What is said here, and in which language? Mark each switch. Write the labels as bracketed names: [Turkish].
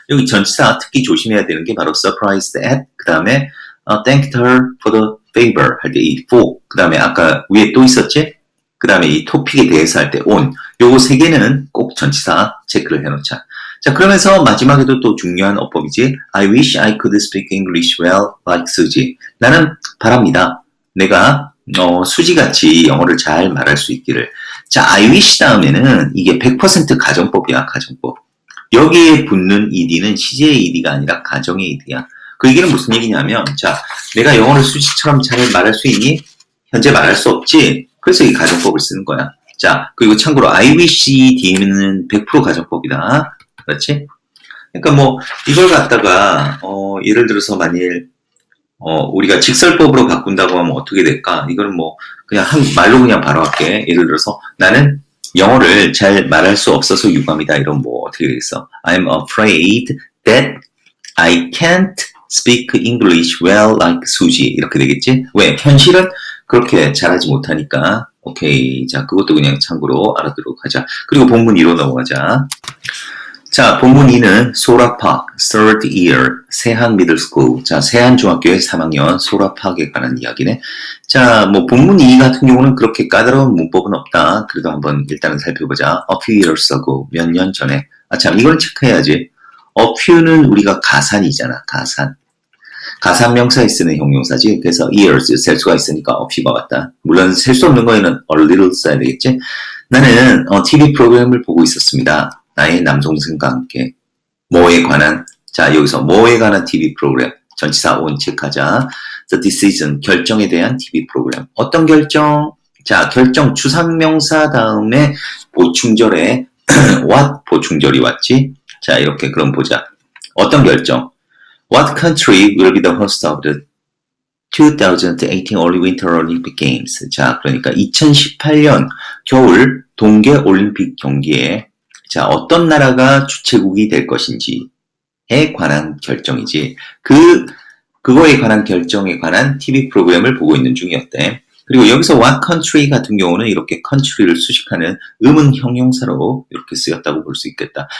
[Korean] 여기 전치사 특히 조심해야 되는 게 바로 [English] surprised at, [Korean] 그 다음에 [English] thanked her for the favor [Korean] 할 때 이 for, 그 다음에 아까 위에 또 있었지? 그 다음에 이 topic에 대해서 할 때 on. 요거 세 개는 꼭 전치사 체크를 해놓자. 자, 그러면서 마지막에도 또 중요한 어법이지. [English] I wish I could speak English well like Suji. [Korean] 나는 바랍니다. 내가 수지같이 영어를 잘 말할 수 있기를. 자, [English] I wish [Korean] 다음에는 이게 100% 가정법이야, 가정법. 여기에 붙는 ED는 시제의 ED가 아니라 가정의 ED야. 그 얘기는 무슨 얘기냐면, 자, 내가 영어를 수지처럼 잘 말할 수 있니? 현재 말할 수 없지? 그래서 이 가정법을 쓰는 거야. 자, 그리고 참고로 I wish ED는 100% 가정법이다. 그렇지? 그러니까 뭐 이걸 갖다가 예를 들어서 만일 우리가 직설법으로 바꾼다고 하면 어떻게 될까? 이거는 뭐 그냥 말로 그냥 바로 할게. 예를 들어서 나는 영어를 잘 말할 수 없어서 유감이다. 이런 뭐 어떻게 되겠어? [English] I'm afraid that I can't speak English well like Suji. [Korean] 이렇게 되겠지? 왜? 현실은 그렇게 잘하지 못하니까. 오케이. 자, 그것도 그냥 참고로 알아두도록 하자. 그리고 본문 2로 넘어가자. 자, 본문 2는 소라팍, [English] third year, [Korean] 세한 미들스쿨. 자, 세한 중학교의 3학년 소라팍에 관한 이야기네. 자, 뭐 본문 2 같은 경우는 그렇게 까다로운 문법은 없다. 그래도 한번 일단은 살펴보자. [English] A few years ago, [Korean] 몇 년 전에. 아, 참, 이걸 체크해야지. A few는 우리가 가산이잖아, 가산. 가산 명사에 쓰는 형용사지. 그래서 years, 셀 수가 있으니까 a few가 맞다. 물론 셀 수 없는 거에는 a little 써야 되겠지. 나는 TV 프로그램을 보고 있었습니다. 나의 남동생과 함께. 뭐에 관한? 자, 여기서 뭐에 관한 TV 프로그램? 전치사 on 체크하자. [English] The decision, [Korean] 결정에 대한 TV 프로그램. 어떤 결정? 자, 결정 추상명사 다음에 보충절에 what 보충절이 왔지? 자, 이렇게 그럼 보자. 어떤 결정? [English] What country will be the host of the 2018 [Korean] 올림픽 [English] Winter Olympic Games? [Korean] 자, 그러니까 2018년 겨울 동계 올림픽 경기에 자, 어떤 나라가 주최국이 될 것인지에 관한 결정이지. 그거에 관한 결정에 관한 TV 프로그램을 보고 있는 중이었대. 그리고 여기서 [English] what country [Korean] 같은 경우는 이렇게 country를 수식하는 의문 형용사로 이렇게 쓰였다고 볼 수 있겠다.